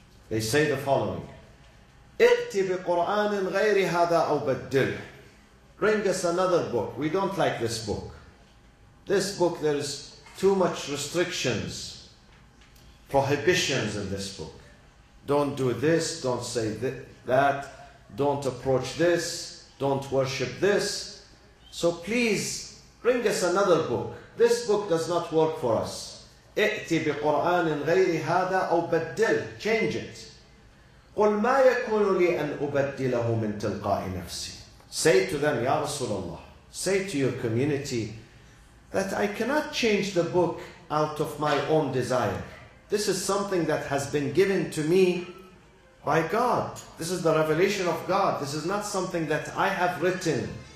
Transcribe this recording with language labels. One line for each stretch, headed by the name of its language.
Arabic: ائت بقرآن غير هذا أو بدل,
English: bring us another book, we don't like this book, this book there is too much restrictions, prohibitions in this book. Don't do this, don't say that, don't approach this, don't worship this. So please bring us another book. This book does not work for us.
Arabic: ائتي بقرآن غير هذا أو بدل,
English: change it.
Arabic: قل ما يكون لي أن أبدله من تلقاء نفسي.
English: Say to them,
Arabic: يا رسول الله,
English: say to your community that I cannot change the book out of my own desire. This is something that has been given to me by God. This is the revelation of God. This is not something that I have written.